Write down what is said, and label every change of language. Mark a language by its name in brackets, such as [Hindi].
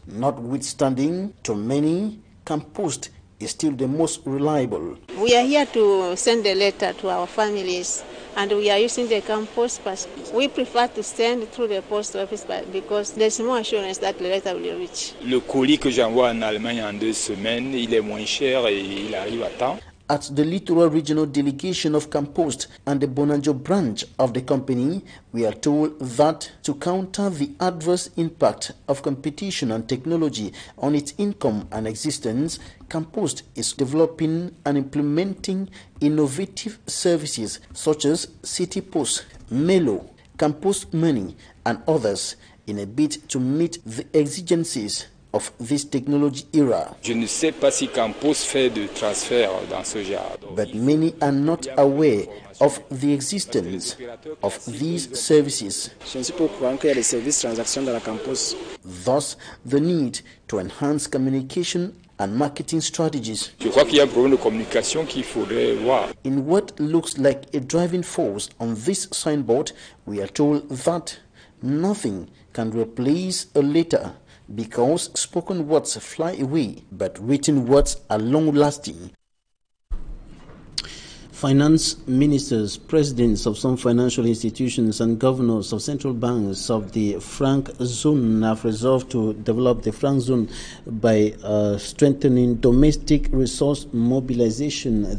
[English] Notwithstanding, to many, Campost is still the most reliable. We are here to send a letter to our families, and we are using the Campost pass. We prefer to send through the post office because there's more assurance that the letter will reach. [French] Le colis que j'envoie en Allemagne en deux semaines, il est moins cher et il arrive à temps. [English] At the Littoral Regional Delegation of Campost and the Bonanjo branch of the company, we are told that to counter the adverse impact of competition and technology on its income and existence, Campost is developing and implementing innovative services such as City Post, Melo, Campost Money, and others in a bid to meet the exigencies of this technology era. [French] Je ne sais pas si Campos fait de transfert dans ce genre. [English] But many are not aware of the existence of these services. [French] Je ne suis pas courant qu'il y a des services transactions dans la Campos. [English] Thus, the need to enhance communication and marketing strategies. [French] Je crois qu'il y a un problème de communication qu'il faudrait voir. [English] In what looks like a driving force on this signboard, we are told that nothing can replace a letter, because spoken words fly away, but written words are long-lasting. Finance ministers, presidents of some financial institutions, and governors of central banks of the franc zone have resolved to develop the franc zone by strengthening domestic resource mobilization.